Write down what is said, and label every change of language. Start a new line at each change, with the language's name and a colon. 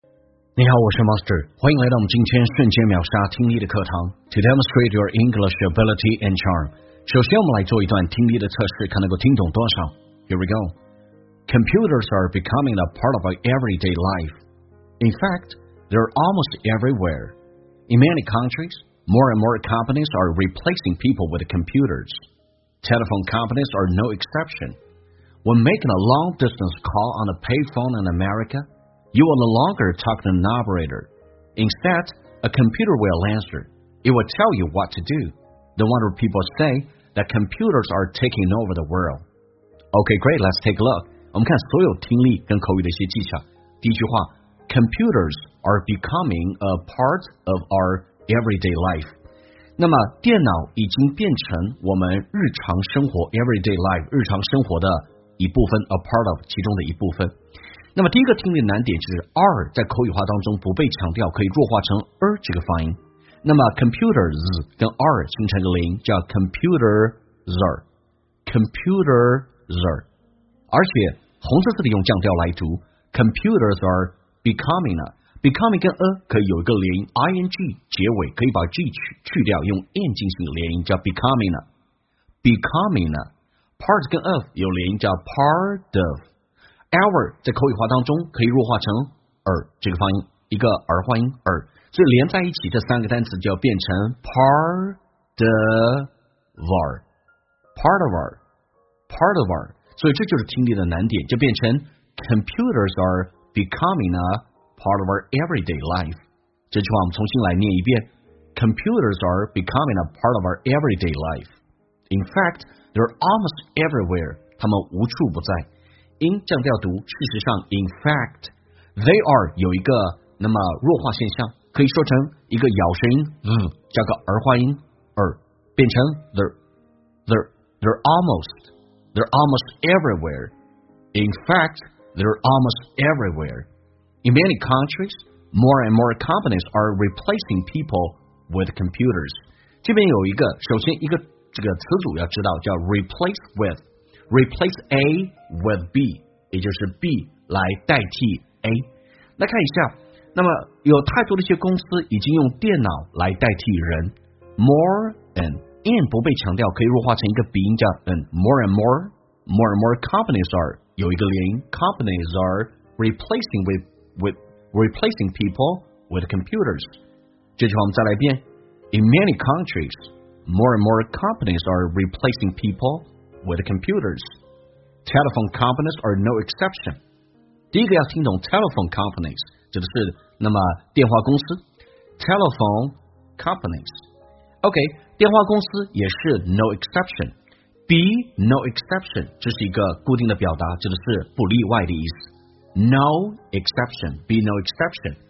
Chinese: 你好，我是 Master， 欢迎来到我们今天瞬间秒杀听力的课堂。
English: To demonstrate your English ability and charm，
Chinese: 首先我们来做一段听力的测试，看能够听懂多少。
English: Here we go. Computers are becoming a part of our everyday life. In fact, they're almost everywhere. In many countries, more and more companies are replacing people with computers. Telephone companies are no exception. When making a long-distance call on a payphone in America,You will no longer talk to an operator. Instead, a computer will answer. It will tell you what to do. No wonder people say that computers are taking over the world. Okay, great, let's take a look.
Chinese: 我们看所有听力跟口语的一些技巧。第一句话，
English: Computers are becoming a part of our everyday life.
Chinese: 那么电脑已经变成我们日常生活 everyday life, 日常生活的一部分 a part of, 其中的一部分。那么第一个听力难点就是 R 在口语化当中不被强调，可以弱化成 R 这个发音。那么 computers 跟 R 形成个零，叫 computers， 而且红色字的用降调来读
English: computers are becoming becoming
Chinese: 跟 可以有一个连音 ing 结尾，可以把 g 去掉，用 n 进行连音，叫 becoming part 跟 of 有连音，叫 part ofOur 在口语化当中可以弱化成耳这个发音，一个儿化音耳，所以连在一起这三个单词就要变成 part of our， 所以这就是听力的难点，就变成
English: computers are becoming a part of our everyday life。
Chinese: 这句话我们重新来念一遍，
English: computers are becoming a part of our everyday life。 In fact, they're almost everywhere，
Chinese: 他们无处不在。 In 降调读，事实上 ，in fact， they are 有一个那么弱化现象，可以说成一个咬舌音，加个儿化音，变成
English: they're almost everywhere。 In fact， they're almost everywhere。 In many countries， more and more companies are replacing people with computers。
Chinese: 这边有一个，首先一个这个词组要知道，叫 replace with。
English: Replace A with B，
Chinese: 也就是 B 来代替 A。来看一下，那么有太多的一些公司已经用电脑来代替人， More and 不被强调，可以弱化成一个鼻音，叫 More and more companies are 有一个连音，
English: Companies are replacing replacing people with computers。
Chinese: 这句话我们再来一遍，
English: In many countries more and more companies are replacing peoplewith computers. Telephone companies are no exception.
Chinese: 第一个要听懂 telephone companies， 指的是那么电话公司 telephone companies。 OK， 电话公司也是 no exception，
English: be no exception
Chinese: 这是一个固定的表达，指的是不例外的意思， no exception， be no exception。